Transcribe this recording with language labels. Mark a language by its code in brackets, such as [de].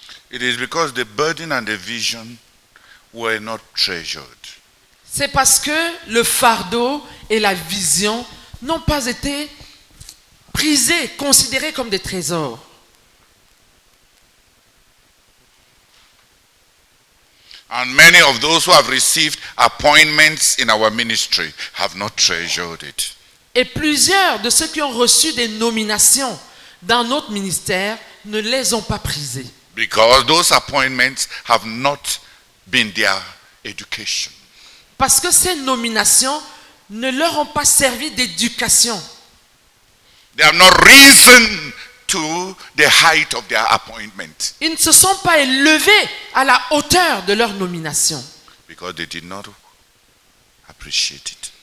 [en] It is because the burden and the vision were not treasured. [fr] C'est parce que le fardeau et la vision n'ont pas été prisés, considérés comme des trésors. [en] And many of those who have received appointments in our ministry have not treasured it. [fr] Et plusieurs de ceux qui ont reçu des nominations dans notre ministère ne les ont pas prisées. [en] Because those appointments have not been their education. [fr] Parce que ces nominations ne leur ont pas servi d'éducation. [en] They have not to the height of their appointment. [fr] Ils ne se sont pas élevés à la hauteur de leur nomination. [en] Because they did not appreciate it.